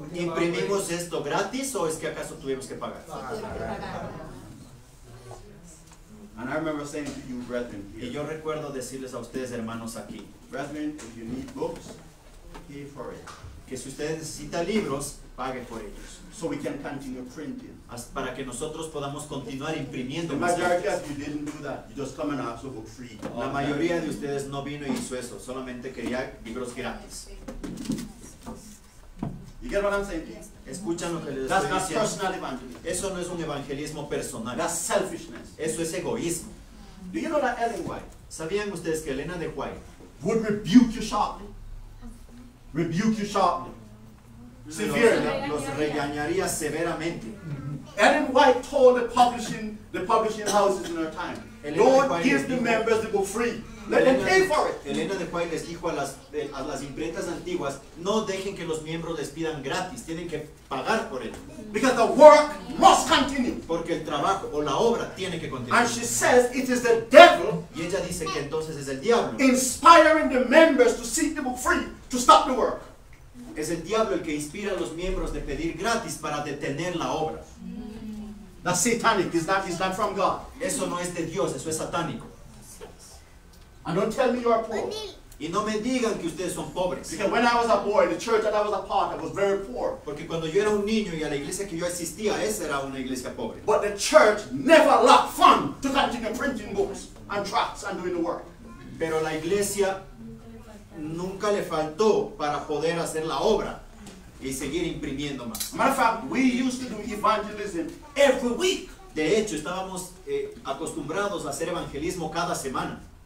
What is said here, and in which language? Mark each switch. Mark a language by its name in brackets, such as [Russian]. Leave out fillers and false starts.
[Spanish] ¿Imprimimos esto gratis o es que acaso tuvimos que pagar? Sí, tuvimos que pagar. [English] And I remember saying to you, brethren, [Spanish] y yo recuerdo decirles a ustedes, hermanos, aquí. [English] Brethren, if you need books, pay for it. [Spanish] Que si ustedes necesitan libros, pague por ellos. [English] So we can continue printing. [Spanish] Para que nosotros podamos continuar imprimiendo. [English] The majority of you didn't do that. You just come and ask for book free. [Spanish] La mayoría de ustedes no vino y hizo eso. Solamente quería libros gratis. [English] You get what I'm saying? [Spanish] Escuchan lo que les [English] That's [Spanish] estoy diciendo. [English] That's personal evangelism. [Spanish] Eso no es un evangelismo personal. [English] That's selfishness. [Spanish] Eso es egoísmo. [English] Do you know that Ellen White? [Spanish] ¿Sabían ustedes que Elena de White [English] would rebuke you sharply? Rebuke you sharply. Severely. [Spanish] Los regañaría severamente. [English] Ellen White told the publishing houses in her time, Lord, give the members the book free. Let them pay for it. [Spanish] Elena de White les dijo a las imprentas antiguas, no dejen que los miembros les pidan gratis, tienen que pagar por él. [English] Because the work must continue. [Spanish] Porque el trabajo o la obra tiene que continuar. [English] And she says it is the devil. [Spanish] Y ella dice que entonces es el diablo. [English] Inspiring the members to seek the book free to stop the work. [Spanish] Es el diablo el que inspira a los miembros de pedir gratis para detener la obra. [English] That's satanic. Is that from God? [Spanish] Eso no es de Dios. Eso es satánico. [English] And don't tell me you are poor. [Spanish] Y no me digan que ustedes son pobres. [English] Because when I was a boy, the church that I was a part of was very poor. [Spanish] Porque cuando yo era un niño y a la iglesia que yo asistía, esa era una iglesia pobre. [English] But the church never lacked fun to continue printing books and tracts and doing the work. [Spanish] Pero la iglesia nunca le faltó para poder hacer la obra y seguir imprimiendo más. [English] Matter of fact, we used to do evangelism every week. [Spanish] De hecho, estábamos acostumbrados a hacer evangelismo cada semana.